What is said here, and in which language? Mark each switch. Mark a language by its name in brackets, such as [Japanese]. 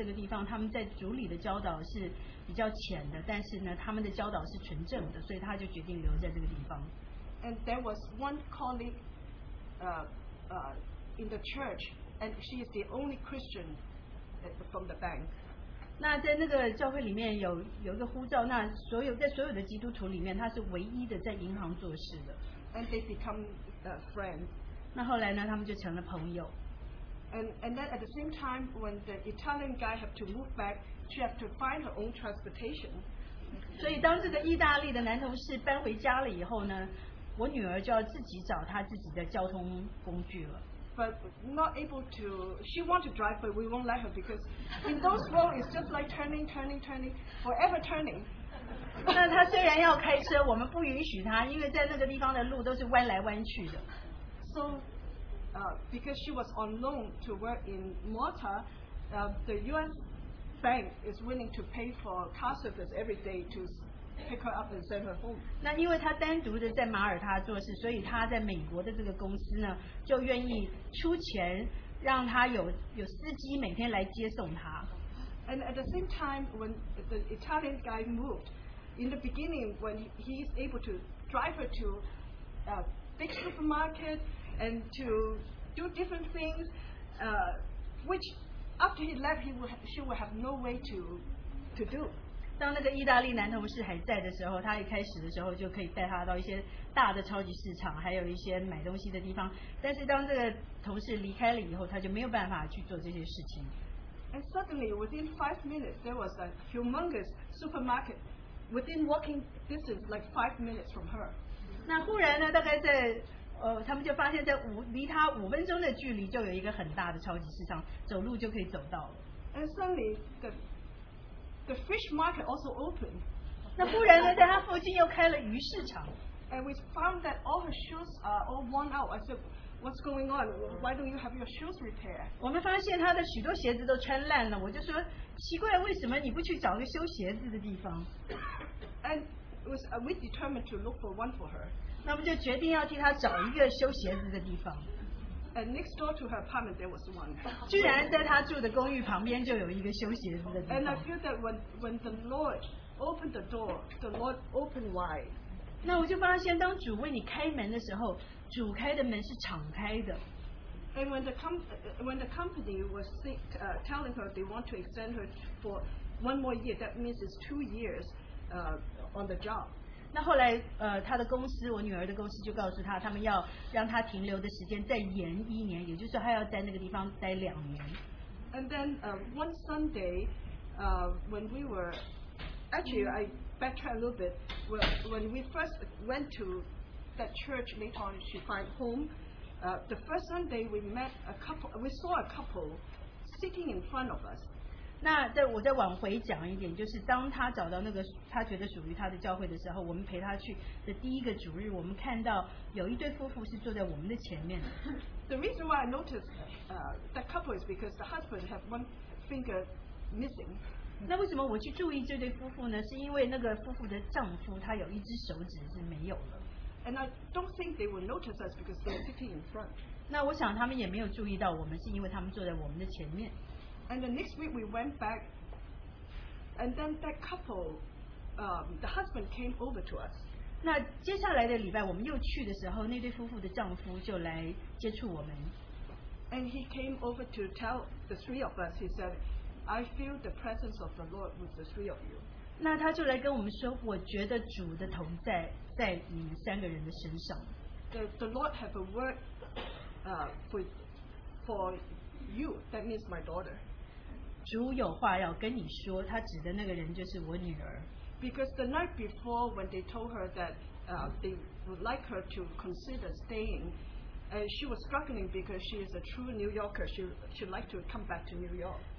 [Chinese] 那后来她终于找到了一个地方，虽然这个地方他们在主里的教导是比较浅的， 但是呢，他们的教导是纯正的， 所以她就决定留在这个地方。 [English] And there was one colleague in the church, and she is the only Christian from the bank. [Chinese] 那在那个教会里面有一个呼召， 那所有在所有的基督徒里面， 她是唯一的在银行做事的。 [English] And they become friends. [Chinese] 那后来呢， 他们就成了朋友。 [English] And then at the same time, when the Italian guy have to move back, she have to find her own transportation. [Chinese] 所以当这个意大利的男同事搬回家了以后呢， 我女儿就要自己找她自己的交通工具了。 [English] But not able to, she want to drive, but we won't let her, because in those roads, it's just like turning, turning, turning, forever turning. [Chinese] 那她虽然要开车, 我们不允许她, 因为在那个地方的路都是弯来弯去的。 [English] So, because she was on loan to work in Malta, the U.S. bank is willing to pay for car service every day to pick her up and send her home. [Chinese] 那因为她单独的在马耳他做事, 所以她在美国的这个公司呢, 就愿意出钱, 让她有司机每天来接送她。 [English] And at the same time, when the Italian guy moved, in the beginning, when he is able to drive her to a big supermarket and to do different things, which after he left, she would have no way to do. [Chinese] 当那个意大利男同事还在的时候， 他一开始的时候就可以带他到一些大的超级市场， 还有一些买东西的地方。但是当这个同事离开了以后， 他就没有办法去做这些事情。 [English] And suddenly, within 5 minutes, there was a humongous supermarket within walking distance, like 5 minutes from her. [Chinese] 那忽然呢， 大概在 他们就发现在离他5分钟的距离就有一个很大的超级市场， 走路就可以走到了。 [English] And suddenly, the fish market also opened. [Chinese] 那忽然呢， 在他附近又开了鱼市场。 [English] And we found that all her shoes are all worn out. I said, what's going on? Why don't you have your shoes repaired? [Chinese] 我们发现他的许多鞋子都穿烂了， 我就说, 奇怪, 为什么你不去找个修鞋子的地方？ [English] And we determined to look for one for her. [Chinese] 那我们就决定要替他找一个修鞋子的地方。 [English] And next door to her apartment, there was one. [Chinese] 居然在他住的公寓旁边就有一个修鞋子的地方。 [English] And I feel that when the Lord opened the door, the Lord opened wide. [Chinese] 那我就发现当主为你开门的时候， 主开的门是敞开的。 [English] And when the company was telling her they want to extend her for one more year, that means it's 2 years on the job. [Chinese] 那后来, 他的公司, 我女儿的公司就告诉他, 他们要让他停留的时间再延一年, 也就是说他要在那个地方待两年。 [English] And then one Sunday, when we were, actually I backtrack a little bit, when we first went to that church later on, she find home, the first Sunday we met a couple, we saw a couple sitting in front of us. [Chinese] 那我再往回讲一点， 就是当他找到那个 他觉得属于他的教会的时候， 我们陪他去的第一个主日， 我们看到有一对夫妇是坐在我们的前面。 [English] The reason why I noticed that couple is because the husband had one finger missing. [Chinese] 那为什么我去注意这对夫妇呢？是因为那个夫妇的丈夫， 他有一只手指是没有了。 [English] And I don't think they will notice us because they're sitting in front. [Chinese] 那我想他们也没有注意到我们， 是因为他们坐在我们的前面。 [English] And the next week we went back, and then that couple, the husband came over to us. [Chinese] 那接下来的礼拜我们又去的时候，那对夫妇的丈夫就来接触我们。 [English] And he came over to tell the three of us. He said, "I feel the presence of the Lord with the three of you." [Chinese] 那他就来跟我们说，我觉得主的同在在你们三个人的身上。 [English] The Lord have a word for you. That means my daughter. [Chinese] 主有话要跟你说，他指的那个人就是我女儿。 [English] Because the night before, when they told her that they would like her to consider staying, she was struggling because she is a true New Yorker. She would like to come back to New York.